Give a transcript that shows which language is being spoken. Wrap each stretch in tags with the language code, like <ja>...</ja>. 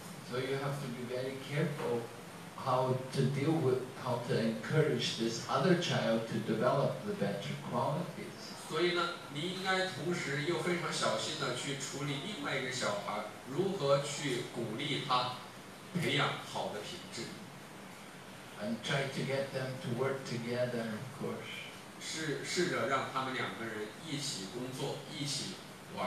<en>So you have to be very careful how to encourage this other child to develop the better qualities.</en> <zh>所以呢，你应该同时又非常小心地去处理另外一个小孩，如何去鼓励他培养好的品质。</zh> <en>And try to get them to work together, of course.</en> <zh>试着让他们两个人一起工作，一起玩。</zh>